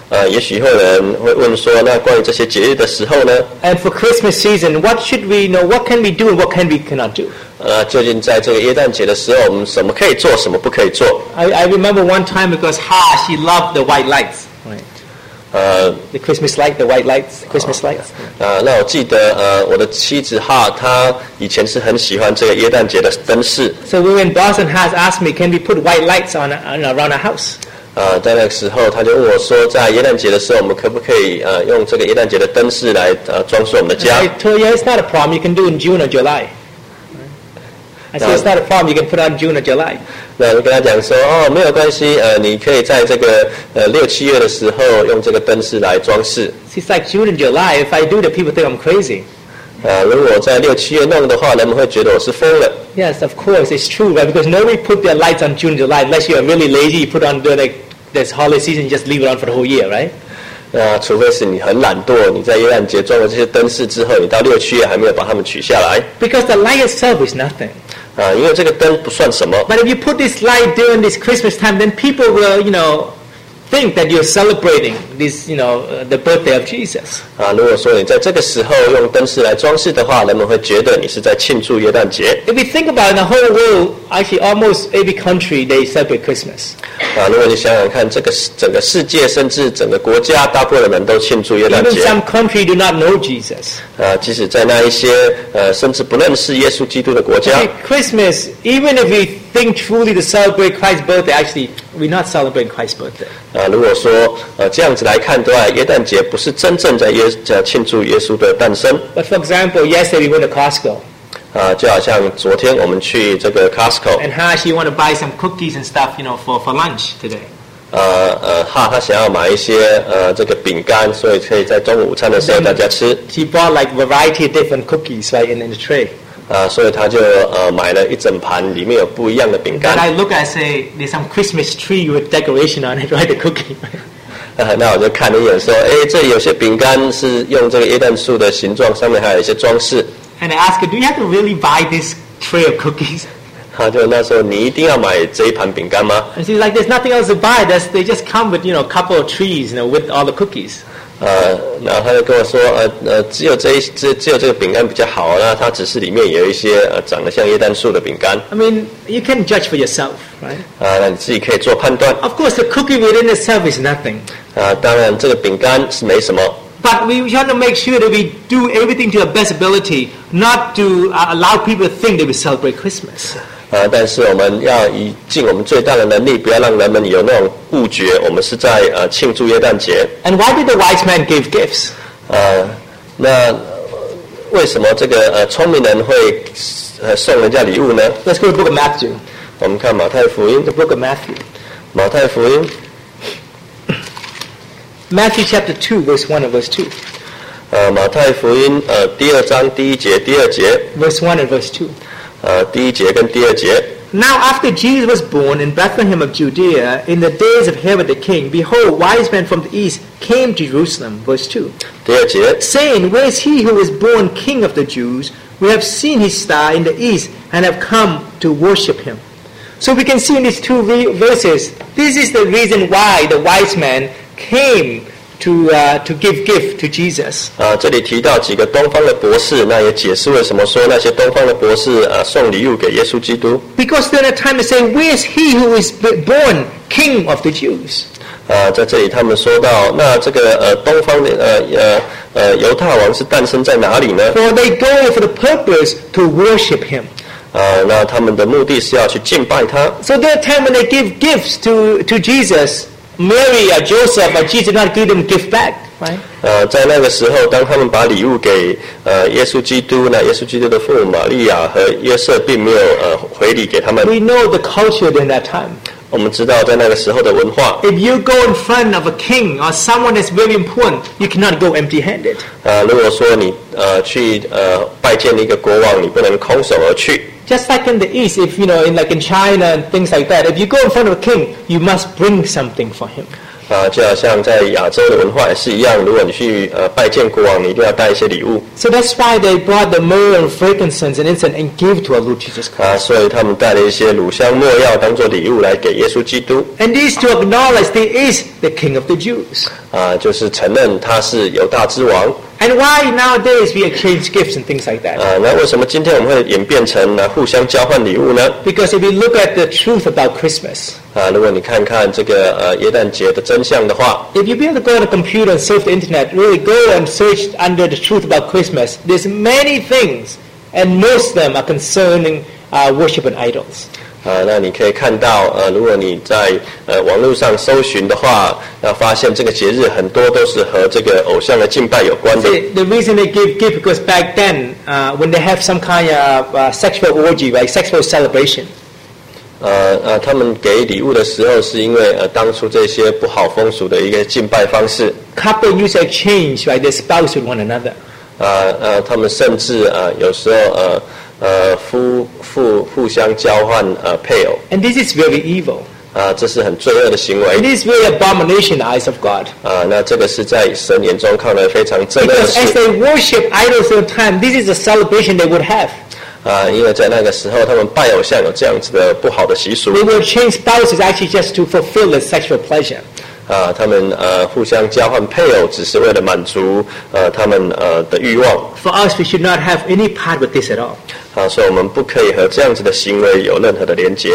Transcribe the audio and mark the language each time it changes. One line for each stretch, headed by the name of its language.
Chinese: 也许有人会问说，那关于这些节日的时候呢
English: ？And for Christmas season, what should we know? What can we do? And what can we cannot do?
Chinese: 究竟在这个耶诞节的时候，我们什么可以做，什么不可以做
English: ？I remember one time because Ha, she loved the white lights. Right. The Christmas light, the white lights, Christmas lights.
Chinese: 那我记得我的妻子 Ha, 她以前是很喜欢这个耶诞节的灯饰。
English: So we went boss and has asked me, can we put white lights on around our house?
Chinese: 在那个时候他就问我说在耶诞节的时候我们可不可以用这个耶诞节的灯饰来装饰我们的家
English: I told you, yeah, it's not a problem, you can do it in June or July. I said, it's not a problem, you can put it on June or July.
Chinese: 那我跟他讲说哦没有关系你可以在这个六七月的时候用这个灯饰来装饰。
English: It's like June and July, if I do that, people think I'm crazy.
Chinese: 如果在六七月弄的话人们会觉得我是疯了。
English: Yes, of course, it's true, right? Because nobody put their lights on June, July, unless you are really lazy, you put on the, like, this holiday season, you just leave it on for the whole year, right?
Chinese: 除非是你很懒惰，你在耶诞节装了这些灯饰之后，你到六七月还没有把它们取下来。
English: Because the light itself is nothing.
Chinese: 因为这个灯不算什么。
English: But if you put this light during this Christmas time, then people will, you know... think that you're celebrating this, you know, the birthday of Jesus.
Chinese: 如果说你在这个时候用灯饰来装饰的话，人们会觉得你是在庆祝耶诞节。
English: If you think about it, the whole world, actually, almost every country they celebrate Christmas.
Chinese: 如果你想想看，这个整个世界甚至整个国家，大部分人都庆祝耶诞节。
English: Even some country do not know Jesus.
Chinese: 即使在那一些甚至不认识耶稣基督的国家。
English: Okay, Christmas, even if we think truly to celebrate Christ's birthday, actually, we're not celebrating Christ's birthday.
Chinese: 如果说这样子来看的话，耶诞节不是真正在庆祝耶稣的诞生。
English: But for example, yesterday we went to Costco.
Chinese: 就好像昨天我们去这个 Costco.
English: And Ha, she want to buy some cookies and stuff, you know, for lunch today.
Chinese: Ha, 她想要买一些这个饼干，所以可以在中午午餐的时候大家吃。
English: She bought like variety of different cookies, right, in the tray.
Chinese: 所以他就买了一整盘，里面有不一样的饼干。
English: But I look and say, there's some Christmas tree with decoration on it, right? The cookie.
Chinese: 那我就看了一眼，说，哎，这有些饼干是用这个耶诞树的形状，上面还有一些装饰。
English: And I ask her, do you have to really buy this tray of cookies?
Chinese: 就那时候，你一定要买这一盘饼干吗
English: ？And she's like, there's nothing else to buy. They just come with, you know, a couple of trees, you know, with all the cookies.
Chinese: 然后他就跟我说，只有这个饼干比较好，那它只是里面有一些长得像耶诞树的饼干。
English: I mean, you can judge for yourself, right?
Chinese: 那你自己可以做判断。
English: Of course, the cookie within itself is nothing.
Chinese: 当然这个饼干是没什么。
English: But we want to make sure that we do everything to our best ability, not to allow people to think that we celebrate Christmas.
Chinese: 但是我们要以尽我们最大的能力，不要让人们有那种误觉，我们是在庆祝耶诞节。
English: And why did the wise man give gifts?
Chinese: 那为什么这个聪明人会送人家礼物呢
English: ？Let's go to the book of Matthew.
Chinese: 我们看马太福音。
English: The book of Matthew.
Chinese: 马太福音。
English: Matthew chapter 2, verse 1 and verse 2.
Chinese: 马太福音第二章第一节第二节。
English: Verse 1 and verse 2.
Chinese: 第一节跟第二节。
English: Now after Jesus was born in Bethlehem of Judea, in the days of Herod the king, behold, wise men from the east came to Jerusalem. Verse 2.
Chinese: 第二节。
English: Saying, where is he who was born king of the Jews? We have seen his star in the east and have come to worship him. So we can see in these two verses, this is the reason why the wise men cameto give gift to Jesus.
Chinese: 这里提到几个东方的博士，那也解释为什么说那些东方的博士送礼物给耶稣基督。
English: Because they're at the time to say, where is he who is born king of the Jews?
Chinese: 在这里他们说到，那这个东方的犹太王是诞生在哪里呢
English: ？For they go for the purpose to worship him.
Chinese: 那他们的目的是要去敬拜他。
English: So they're at the time when they give gifts to Jesus. Mary or Joseph or Jesus did not give them gift back, right?
Chinese: 在那个时候，当他们把礼物给耶稣基督，那耶稣基督的父母玛利亚和约瑟并没有回礼给他们。
English: We know the culture in that time.
Chinese: 我们知道在那个时候的文化。
English: If you go in front of a king or someone that's very important, you cannot go empty-handed.
Chinese: 如果说你去拜见一个国王，你不能空手而去。
English: Just like in the East, if you know, in like in China and things like that, if you go in front of a king, you must bring something for him.
Chinese: 就好像在亚洲的文化也是一样，如果你去拜见国王，你一定要带一些礼物。
English: So that's why they brought the myrrh and frankincense and incense and gave to our Lord Jesus Christ.
Chinese: 所以他们带了一些乳香、没药当做礼物来给耶稣基督。
English: And this to acknowledge that he is the King of the Jews.
Chinese: 就是承认他是犹大之王。
English: And why nowadays we exchange gifts and things like that?
Chinese: 那为什么今天我们会演变成互相交换礼物呢？
English: Because if you look at the truth about Christmas,
Chinese: 如果你看看这个耶诞节的真相的话，
English: if you be able to go on a computer and surf the internet, really go and search under the truth about Christmas, there's many things, and most of them are concerning worship and idols.
Chinese: 那你可以看到如果你在网络上搜寻的话，那发现这个节日很多都是和这个偶像的敬拜有关的。
English: The reason they give gift because back then, when they have some kind of sexual orgy, right, sexual celebration.
Chinese: 他们给礼物的时候是因为当初这些不好风俗的一个敬拜方式。
English: Couple used to exchange, right, their spouse with one another.
Chinese: 他们甚至有时候互相交换配偶。
English: And this is very evil.
Chinese: 这是很罪恶的行为。
English: It is very abomination in the eyes of God.
Chinese: 那这个是在神眼中看来非常罪恶的事。
English: Because as they worship idols of time, this is a celebration they would have.
Chinese: 因为在那个时候他们拜偶像有这样子的不好的习俗。
English: They would change spouses actually just to fulfill the sexual pleasure.
Chinese: 他们互相交换配偶只是为了满足他们的欲望。
English: For us, we should not have any part with this at all.
Chinese: 所以我们不可以和这样子的行为有任何的连结。